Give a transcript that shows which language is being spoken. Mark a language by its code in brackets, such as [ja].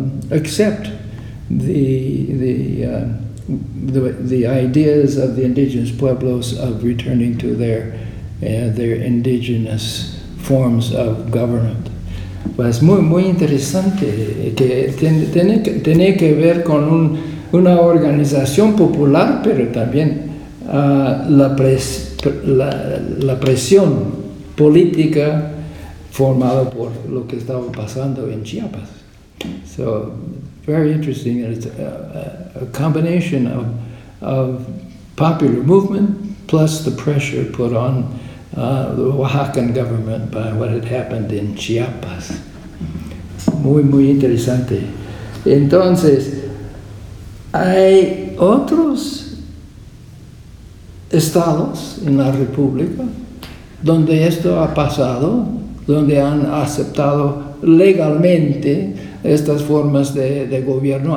[en] accept the ideas of the indigenous pueblos of returning to their indigenous forms of government. [es] Pues muy muy interesante que tiene que ver con una organización popular, pero también la presión política formada por lo que estaba pasando en Chiapas. [en] So, very interesting. It's a combination of popular movement plus the pressure put on the Oaxacan government by what had happened in Chiapas. [es] Muy, muy interesante. Entonces, hay otros estados en la República donde esto ha pasado, donde han aceptado legalmente estas formas de gobierno.